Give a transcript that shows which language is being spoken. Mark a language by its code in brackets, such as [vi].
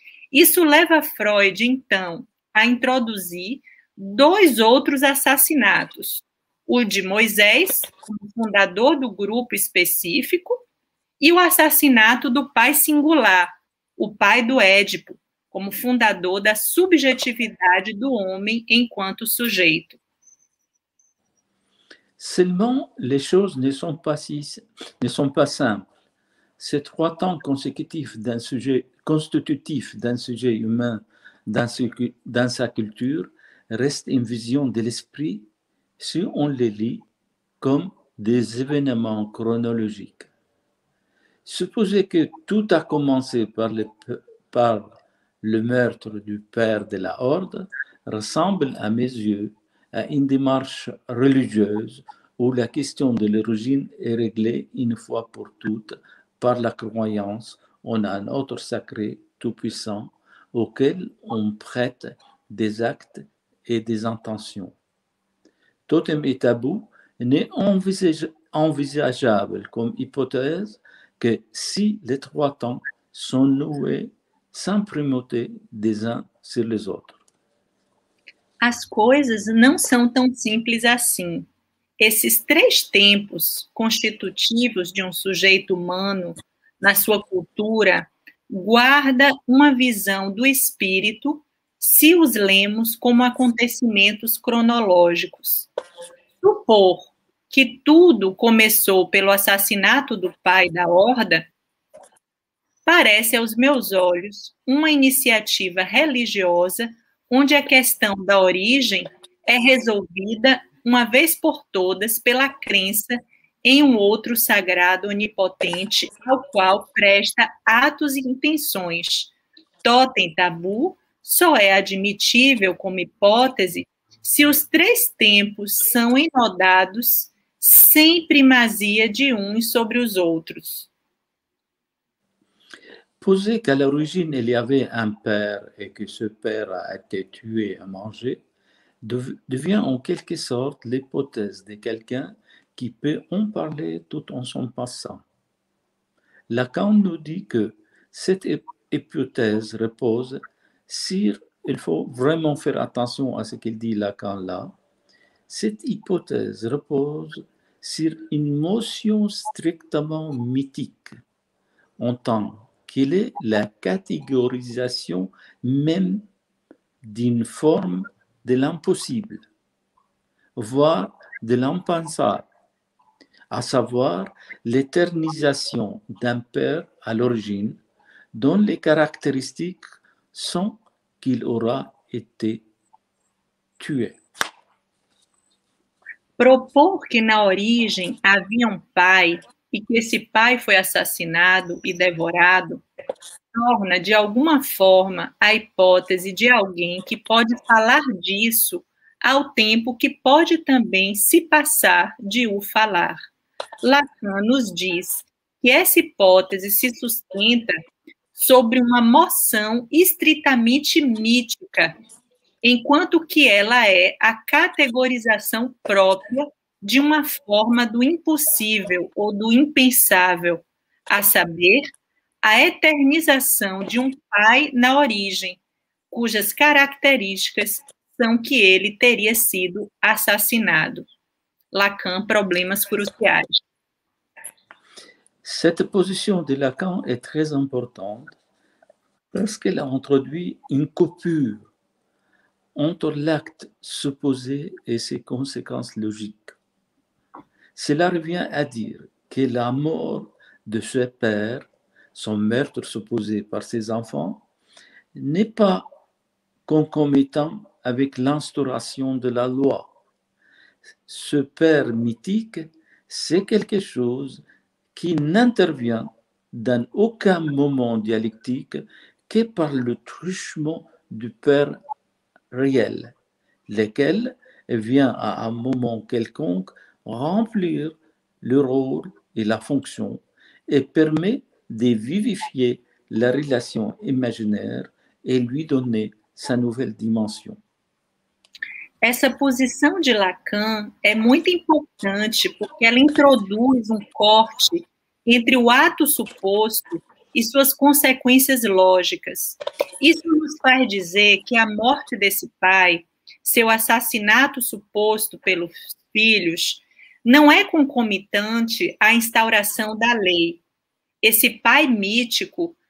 [pt] Isso leva Freud, então, a introduzir dois outros assassinatos, o de Moisés, fundador do grupo específico, e o assassinato do pai singular, o pai do Édipo, como fundador da subjetividade do homem enquanto sujeito. [fr] Seulement, les choses ne sont pas simples. Ces trois temps consécutifs d'un sujet constitutif d'un sujet humain dans sa culture restent une vision de l'esprit si on les lit comme des événements chronologiques. Supposer que tout a commencé par le meurtre du père de la Horde ressemble à mes yeux à une démarche religieuse où la question de l'origine est réglée une fois pour toutes par la croyance en un autre sacré tout-puissant auquel on prête des actes et des intentions. Totem et tabou n'est envisageable comme hypothèse que si les trois temps sont noués sans primauté des uns sur les autres. [pt] As coisas não são tão simples assim. Esses três tempos constitutivos de um sujeito humano na sua cultura guarda uma visão do espírito se os lemos como acontecimentos cronológicos. Supor que tudo começou pelo assassinato do pai da Horda parece aos meus olhos uma iniciativa religiosa onde a questão da origem é resolvida uma vez por todas pela crença em um outro sagrado onipotente ao qual presta atos e intenções. Totem tabu só é admitível como hipótese se os três tempos são enodados sem primazia de uns sobre os outros. [fr] Poser qu'à l'origine il y avait un père et que ce père a été tué à manger devient en quelque sorte l'hypothèse de quelqu'un qui peut en parler tout en s'en passant. Lacan nous dit que cette hypothèse repose sur, il faut vraiment faire attention à ce qu'il dit Lacan là, cette hypothèse repose sur une notion strictement mythique en tant qu'elle est la catégorisation même d'une forme de l'impossible, voire de l'impensable, à savoir l'éternisation d'un père à l'origine dont les caractéristiques sont qu'il aura été tué. [pt] Propor que na origem havia um pai e que esse pai foi assassinado e devorado torna, de alguma forma, a hipótese de alguém que pode falar disso ao tempo que pode também se passar de o falar. Lacan nos diz que essa hipótese se sustenta sobre uma moção estritamente mítica, enquanto que ela é a categorização própria de uma forma do impossível ou do impensável, a saber, a eternização de um pai na origem, cujas características são que ele teria sido assassinado. Lacan, problemas cruciais. [fr] Cette position de Lacan est très importante parce qu'elle a introduit une coupure entre l'acte supposé et ses conséquences logiques. Cela revient à dire que la mort de ce père, son meurtre supposé par ses enfants, n'est pas concomitant avec l'instauration de la loi. Ce père mythique, c'est quelque chose qui n'intervient dans aucun moment dialectique que par le truchement du père réel, lequel vient à un moment quelconque remplir le rôle et la fonction et permet de vivifier la relation imaginaire et lui donner sa nouvelle dimension. [pt] Essa posição de Lacan é muito importante porque ela introduz um corte entre o ato suposto e suas consequências lógicas. Isso nos faz dizer que a morte desse pai, seu assassinato suposto pelos filhos, não é concomitante à instauração da lei. Esse pai mítico